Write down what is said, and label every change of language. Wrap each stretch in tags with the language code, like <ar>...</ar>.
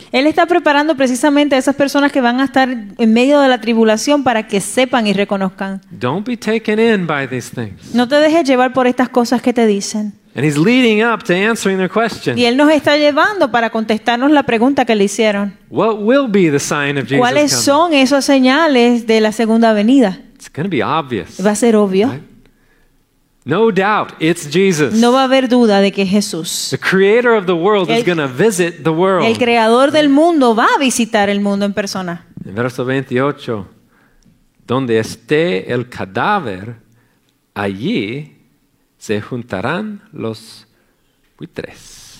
<es>Él está preparando precisamente a esas personas que van a estar en medio de la tribulación para que sepan y reconozcan.</es> <en>Don't be taken in by these things.</en> <es>No te dejes llevar por estas cosas que te dicen.</es> <en>And he's leading up to answering their question.</en> <es>Y él nos está llevando para contestarnos la pregunta que le hicieron.</es> <en>What will be the sign of Jesus</en> <es>¿Cuáles</es> <en>coming?</en> <es>Son esas señales de la segunda venida?</es> <en>It's going to be obvious.</en> <es>Va a ser obvio.</es> <en>No doubt, it's Jesus.</en> <es>No va a haber duda de que es Jesús.</es> <en>The creator of the world is going to visit the world.</en> <es>El creador del mundo va a visitar el mundo en persona. En verso 28, donde esté el cadáver, allí se juntarán los buitres.</es>